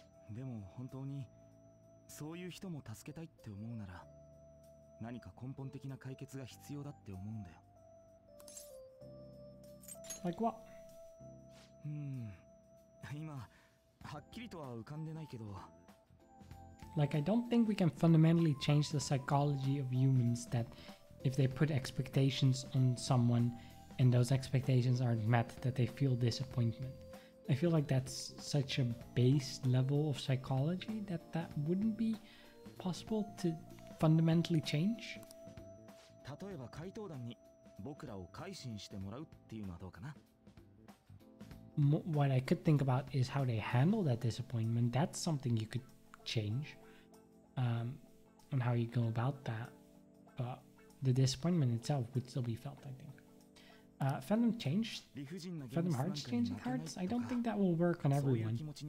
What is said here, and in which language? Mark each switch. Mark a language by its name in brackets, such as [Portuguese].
[Japanese] でも本当に、そういう人も助けたいって思うなら、何か根本的な解決が必要だって思うんだよ。 [English] Like what? [Japanese] 今、はっきりとは浮かんでないけど。 [English] Like, I don't think we can fundamentally change the psychology of humans that if they put expectations on someone and those expectations aren't met, that they feel disappointment. I feel like that's such a base level of psychology that that wouldn't be possible to fundamentally change. [Japanese] 例えば回答団に僕らを改心してもらうっていうのはどうかな? [English] What I could think about is how they handle that disappointment. That's something you could change. And how you go about that, but the disappointment itself would still be felt, I think. Fandom change? Fandom hearts changing hearts? I don't think that will work on everyone.